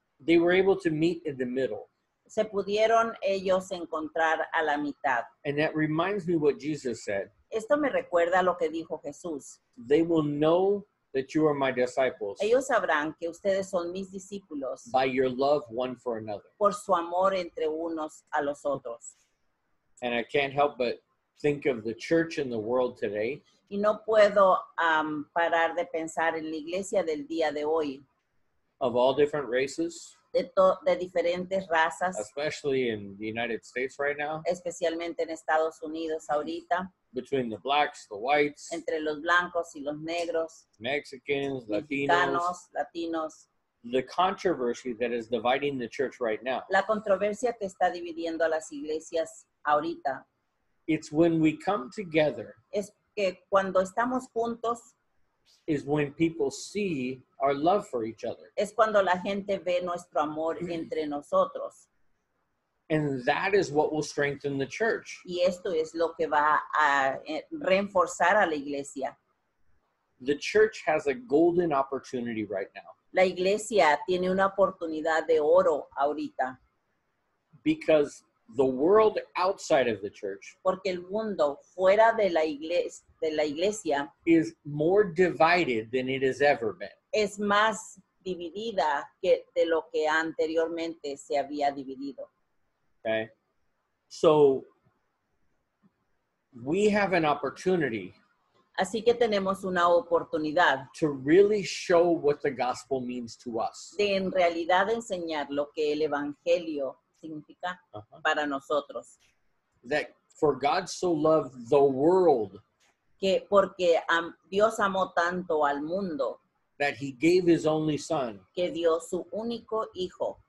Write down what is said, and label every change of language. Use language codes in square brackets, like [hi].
[en] They were able to meet in the middle. [es] Se pudieron ellos encontrar a la mitad. [en] And that reminds me what Jesus said. [es] Esto me recuerda lo que dijo Jesús. [en] They will know that you are my disciples. [es] Ellos sabrán que ustedes son mis discípulos. [en] By your love one for another. [es] Por su amor entre unos a los otros. [en] And I can't help but think of the church in the world today. [es] Y no puedo parar de pensar en la iglesia del día de hoy. [en] Of all different races. [es] De diferentes razas. [en] Especially in the United States right now. [es] Especialmente en Estados Unidos ahorita. [en] Between the blacks, the whites. [es] Entre los blancos y los negros. [en] Mexicans, Latinos. [es] Latinos. [en] The controversy that is dividing the church right now. [es] La controversia que está dividiendo a las iglesias ahorita. [en] It's when we come together. [es] Es que cuando estamos juntos. [en] Is when people see our love for each other. [es] Es cuando la gente ve nuestro amor entre nosotros. [en] And that is what will strengthen the church. [es] Y esto es lo que va a reforzar a la iglesia. [en] The church has a golden opportunity right now. [es] La iglesia tiene una oportunidad de oro ahorita. [en] Because the world outside of the church, [es] porque el mundo fuera de la iglesia, [en] is more divided than it has ever been. [es] Es más dividida que de lo que anteriormente se había dividido. [en] Okay, so we have an opportunity. [es] Así que tenemos una oportunidad [en] to really show what the gospel means to us. [es] De en realidad enseñar lo que el evangelio significa para nosotros. [en] That for God so loved the world. [es] Que porque Dios amó tanto al mundo. [en] That he gave his only son. [es] Que dio su único hijo.